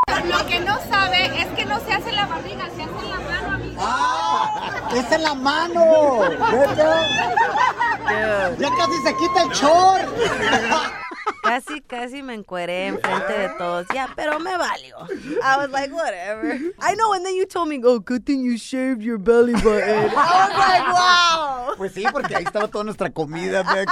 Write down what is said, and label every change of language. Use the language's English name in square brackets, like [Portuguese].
[Spanish] lo que no sabe es que no se hace la barriga, se hace la mano, amigo. Ah, es en la mano. Becca. [English] Dude. [Spanish] Ya casi se quita el short. Casi, casi me encueré en frente de todos. [English] Yeah, [Spanish] pero me valió. [English] I was like, whatever. I know, and then you told me, oh, good thing you shaved your belly button. I was like, wow. [Spanish] Pues sí, porque ahí estaba toda nuestra comida, Becca.